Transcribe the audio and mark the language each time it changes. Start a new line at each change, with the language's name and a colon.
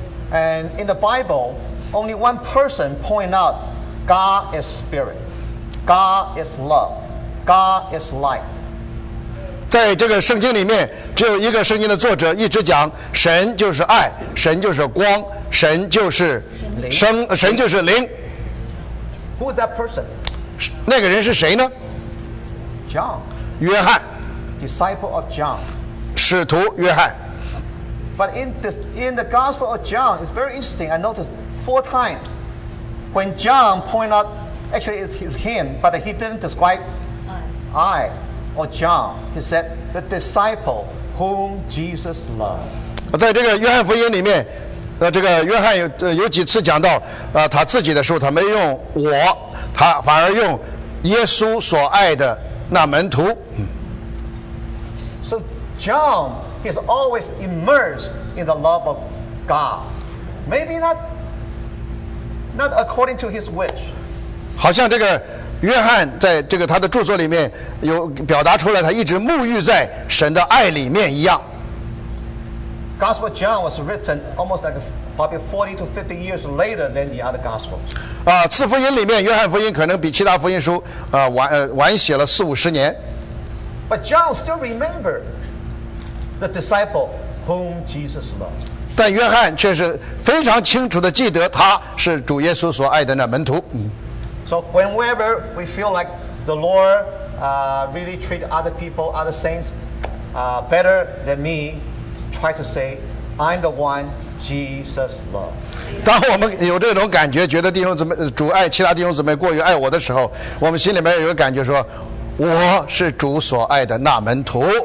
English: And in the Bible, only one person point out God is spirit, God is love, God is light.
Chinese: 在这个圣经里面，只有一个圣经的作者一直讲神就是爱，神就是光，神就是生，神就是灵。
English: Who is that person?
Chinese: 那个人是谁呢？
English: John.
Chinese: 约翰。
English: Disciple of John.
Chinese: 使徒约翰。
English: But in the Gospel of John, it's very interesting. I noticed four times when John pointed out, actually it's him, but he didn't describe I or John. He said, the disciple whom Jesus loved.
Chinese: 在这个约翰福音里面，这个约翰 有几次讲到他自己的时候，他没用我，他反而用耶稣所爱的那门徒。
English: So John... He's always immersed in the love of God. Maybe not according to his wish.
Chinese: 好像这个约翰在这个他的著作里面有表达出来，他一直沐浴在神的爱里面一样。
English: Gospel of John was written almost like probably 40 to 50 years later than the other Gospels.
Chinese: 四福音里面，约翰福音可能比其他福音书晚写了四五十年。
English: But John still remembered. The disciple whom Jesus loved.
Chinese: 但约翰却是非常清楚地记得他是主耶稣所爱的那门徒。
English: So whenever we feel like the Lord really treat other people, other saints better than me, try to say, I'm the one Jesus loved.
Chinese: 当我们有这种感觉，觉得弟兄姊妹主爱其他弟兄姊妹过于爱我的时候，我们心里面有个感觉说，我是主所爱的那门徒。